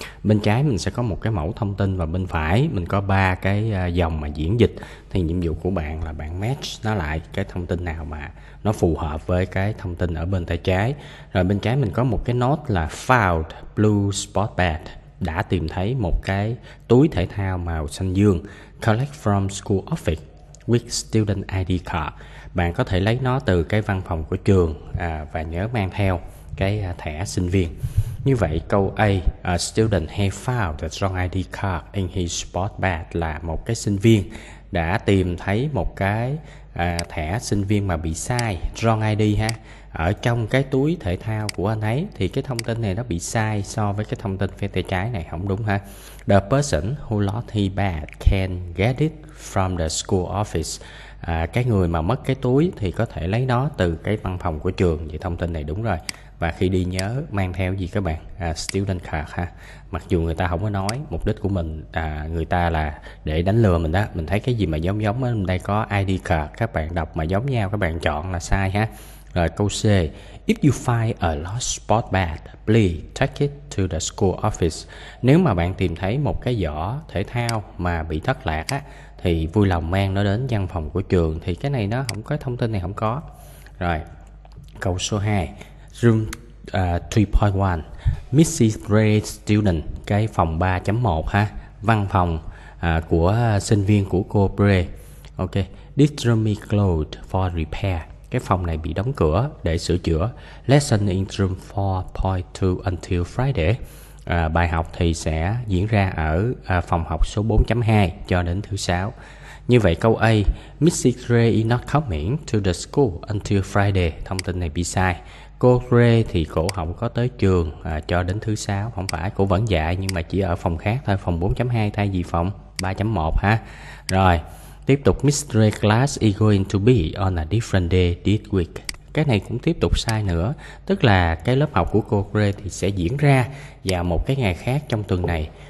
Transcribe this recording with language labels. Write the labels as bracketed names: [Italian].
[Vietnamese] Bên trái mình sẽ có một cái mẫu thông tin và bên phải mình có ba cái dòng mà diễn dịch, thì nhiệm vụ của bạn là bạn match nó lại, cái thông tin nào mà nó phù hợp với cái thông tin ở bên tay trái. Rồi bên trái mình có một cái note là [English] found blue sport bag, [Vietnamese] đã tìm thấy một cái túi thể thao màu xanh dương. [English] Collect from school office with student ID card. [Vietnamese] Bạn có thể lấy nó từ cái văn phòng của trường và nhớ mang theo cái thẻ sinh viên. Như vậy câu A, [English] a student has found the wrong ID card in his sport bag, [Vietnamese] là một cái sinh viên đã tìm thấy một cái thẻ sinh viên mà bị sai, [English] wrong ID [Vietnamese] ha, ở trong cái túi thể thao của anh ấy, thì cái thông tin này nó bị sai so với cái thông tin phía tay trái này, không đúng ha. [English] The person who lost his bag can get it from the school office. [Vietnamese] Cái người mà mất cái túi thì có thể lấy nó từ cái văn phòng của trường. Vậy thông tin này đúng rồi. Và khi đi nhớ mang theo gì các bạn? [English] Student card [Vietnamese] ha. Mặc dù người ta không có nói, mục đích của mình, người ta là để đánh lừa mình đó. Mình thấy cái gì mà giống giống, mình đây có ID card, các bạn đọc mà giống nhau các bạn chọn là sai ha. Rồi câu C, [English] if you find a lost sport bag, please take it to the school office. [Vietnamese] Nếu mà bạn tìm thấy một cái giỏ thể thao mà bị thất lạc á, thì vui lòng mang nó đến văn phòng của trường. Thì cái này nó không có, thông tin này không có. Rồi câu số 2, [English] room 3.1, Mrs. Gray's student, [Vietnamese] cái phòng 3.1 ha, văn phòng của sinh viên của cô Gray. [English] Ok, this room is closed for repair. [Vietnamese] Cái phòng này bị đóng cửa để sửa chữa. [English] Lesson in room 4.2 until Friday. [Vietnamese] Bài học thì sẽ diễn ra ở phòng học số 4.2 cho đến thứ 6. Như vậy câu A, Mrs. [English] Gray is not coming to the school until Friday. [Vietnamese] Thông tin này bị sai. Cô Gray thì cổ không có tới trường cho đến thứ 6. Không phải, cô vẫn dạy nhưng mà chỉ ở phòng khác thôi. Phòng 4.2 thay vì phòng 3.1 ha. Rồi tiếp tục, [English] Mrs. Gray's class is going to be on a different day this week. [Vietnamese] Cái này cũng tiếp tục sai nữa. Tức là cái lớp học của cô Gray thì sẽ diễn ra vào một cái ngày khác trong tuần này.